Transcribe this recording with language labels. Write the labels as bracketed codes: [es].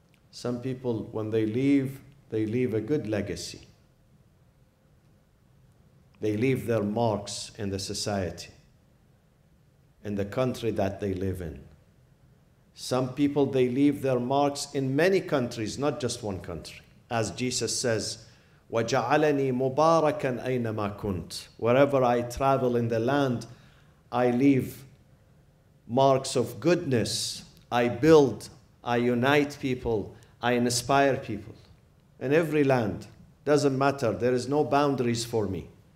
[en] Some people, when they leave a good legacy. They leave their marks in the society, in the country that they live in. Some people, they leave their marks in many countries, not just one country. As Jesus says, [ar] وَجَعَلَنِي مُبَارَكًا أَيْنَمَا كُنْتُ. [en] Wherever I travel in the land, I leave marks of goodness. I build, I unite people, I inspire people. In every land, doesn't matter, there is no boundaries for me.